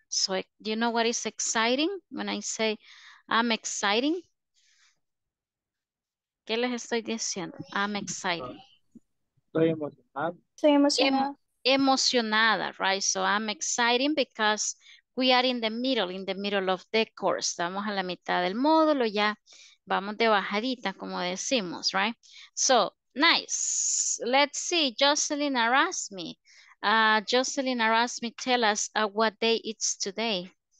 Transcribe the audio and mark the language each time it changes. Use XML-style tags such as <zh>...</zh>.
<en>So do you know what is exciting when I say I'm exciting?</en> <es>¿Qué les estoy diciendo?</es> <en>I'm exciting.</en> <es>Estoy emocionada. Estoy emocionada. Emocionada,</es> <en>right? So I'm exciting because we are in the middle of the course.</en> <es>Estamos a la mitad del módulo, ya vamos de bajadita, como decimos,</es> <en>right? So, nice. Let's see, Jocelyn Arasmi. Jocelyn Arasmi, tell us what day it's today.</en>